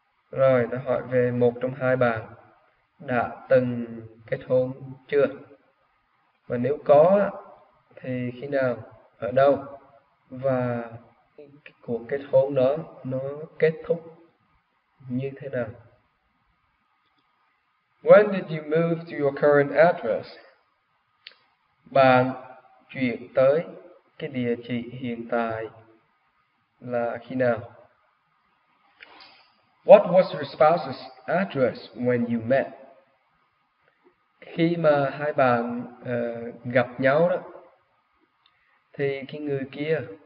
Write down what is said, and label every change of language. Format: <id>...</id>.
<vi>Rồi, nó hỏi về một trong hai bạn đã từng kết hôn chưa? Và nếu có, thì khi nào? Ở đâu? Và cuộc kết hôn đó nó kết thúc như thế nào?</vi> <en>When did you move to your current address?</en> <vi>Bạn chuyển tới cái địa chỉ hiện tại là khi nào?</vi> <en>What was your spouse's address when you met?</en> <vi>Khi mà hai bạn gặp nhau đó thì cái người kia</vi>